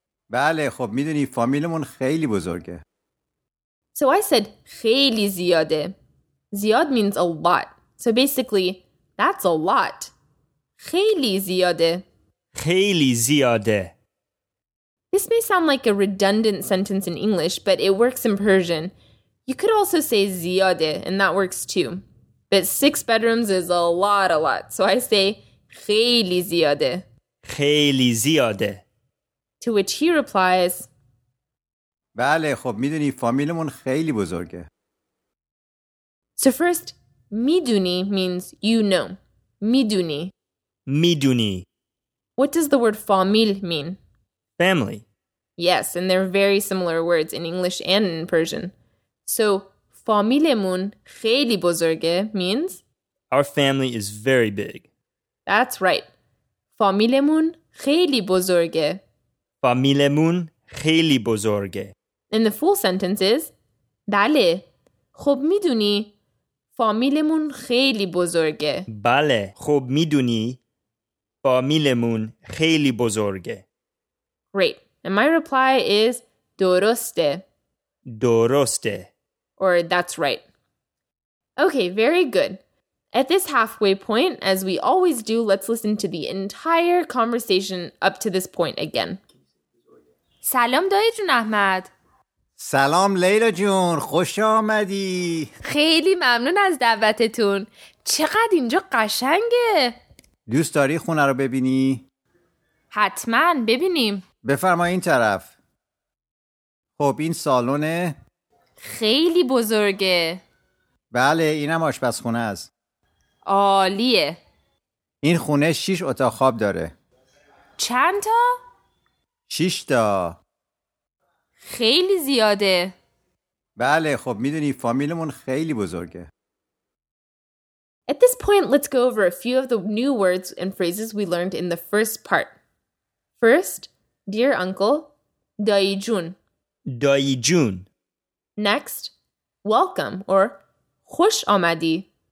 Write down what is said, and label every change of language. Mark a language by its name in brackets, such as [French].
[Persian] بله خب میدونی فامیلمون خیلی بزرگه. [English] So I said [Persian] خیلی زیاده. [English] زیاد means a lot. So basically, that's a lot. [Persian] خیلی زیاده. خیلی زیاده. [English] This may sound like a redundant sentence in English, but it works in Persian. You could also say زیاده, and that works too. But 6 bedrooms is a lot. So I say [Persian] خیلی زیاده. خیلی زیاده. [English] To which he replies, [Persian] بله, خب میدونی فامیلمون خیلی بزرگه. [English] So first, میدونی means you know. [Persian] میدونی. میدونی. [English] What does the word فامیل mean? Family. Yes, and they're very similar words in English and in Persian. [Persian] So فامیلمون خیلی بزرگه [English] means Our family is very big. That's right. [Persian] فامیلمون خیلی بزرگه. فامیلمون خیلی بزرگه. [English] And the full sentence is بله. [Persian] خب میدونی فامیلمون خیلی بزرگه. بله، خوب میدونی فامیلمون خیلی بزرگه. [English] Great. And my reply is درسته. [Persian] درسته. [English] Or that's right. Okay, very good. At this halfway point, as we always do, let's listen to the entire conversation up to this point again. [Persian] سلام دایی جون احمد. سلام لیلا جون، خوش آمدی. خیلی ممنون از دعوتتون. چقدر اینجا قشنگه. دوست داری خونه رو ببینی؟ حتما ببینیم. بفرما این طرف. خب این سالونه؟ خیلی بزرگه. بله اینم آشپزخونه است. عالیه. این خونه 6 اتاق خواب داره. چند تا؟ 6 تا. خیلی زیاده. بله خب میدونی فامیلمون خیلی بزرگه. [English] At this point, let's go over a few of the new words and phrases we learned in the first part. First, dear uncle, [Persian] dayi jun. Dayi jun. [English] Next, welcome or [Persian] khosh amadi.